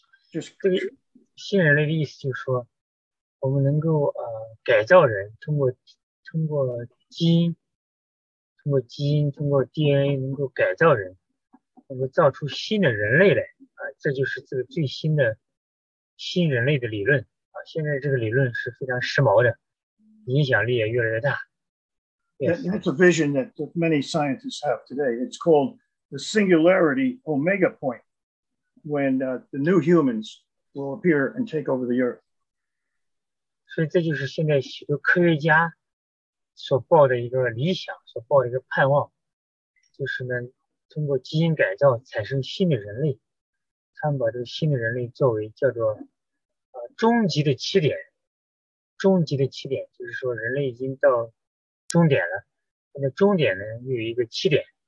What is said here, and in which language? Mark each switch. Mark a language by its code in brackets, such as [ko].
[zh] 就是这个新人类的意思，就是说我们能够改造人，通过基因，通过 DNA 能够改造人，能够造出新的人类来这就是这个最新的新人类的理论现在这个理论是非常时髦的，影响力也越来越大。 [en] That's a vision that many scientists have today. It's called the singularity omega point, when the new humans will appear and take over the earth. [zh] 所以这就是现在许多科学家所抱的一个理想，所抱的一个盼望，就是呢，通过基因改造产生新的人类，他们把这个新的人类作为叫做终极的起点，终极的起点就是说人类已经到终点了，那终点呢又有一个起点。